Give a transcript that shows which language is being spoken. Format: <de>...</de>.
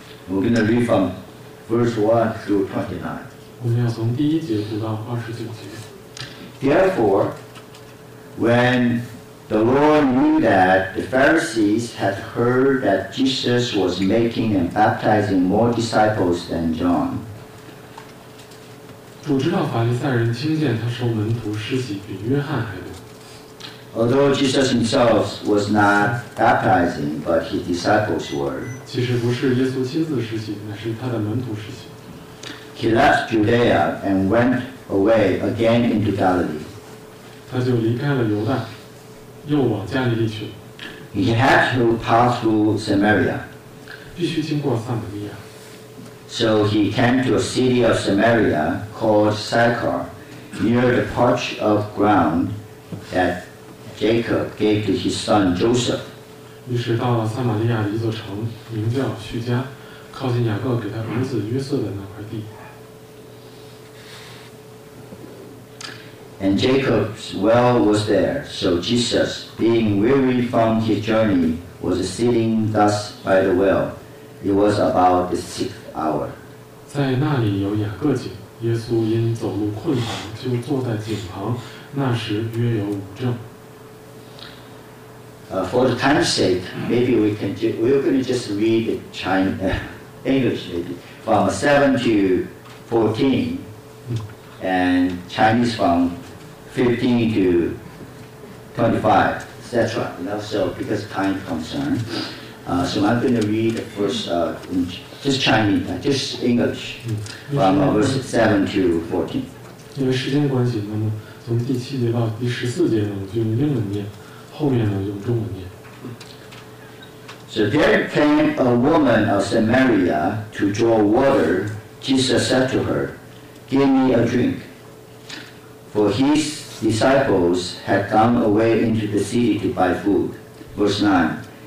<en>We're going to read from verse 1 through 29.</en> <zh>我们要从第一节读到二十九节。</zh> <en>Therefore, when the Lord knew that the Pharisees had heard that Jesus was making and baptizing more disciples than John,</en> <zh>主知道法利赛人听见他收门徒施洗比约翰还多。</zh> <en>Although Jesus himself was not baptizing, but his disciples were.</en> <zh>其实不是耶稣亲自施洗，乃是他的门徒施洗。</zh> <en>He left Judea and went away again into Galilee.</en> <zh>他就离开了犹大，又往加利利去。</zh> <en>He had to pass through Samaria.</en> <zh>必须经过撒玛利亚。</zh> <en>So he came to a city of Samaria called Sychar, near the patch of ground that. Jacob gave to his son Joseph.</en> <zh>于是到了撒玛利亚一座城，名叫叙加，靠近雅各给他儿子约瑟的那块地。</zh> <en>And Jacob's well was there. So Jesus, being weary from his journey, was sitting thus by the well. It was about the sixth hour.</en> <zh>在那里有雅各井，耶稣因走路困乏，就坐在井旁。那时约有午正。</zh> <en>For the time's sake, maybe we can we're going to just read the English maybe from 7 to 14, and Chinese from 15 to 25, etc. You know, so because time concern, so I'm going to read the first just Chinese, just English from verse 7 to 14.</en> <zh>因为时间关系，那么从第七节到第十四节呢，我就用英文念。后面呢用中文念。</zh> <en>So there came a woman of Samaria to draw water. Jesus said to her, "Give me a drink." For his disciples had gone away into the city to buy food. Verse 9.</en>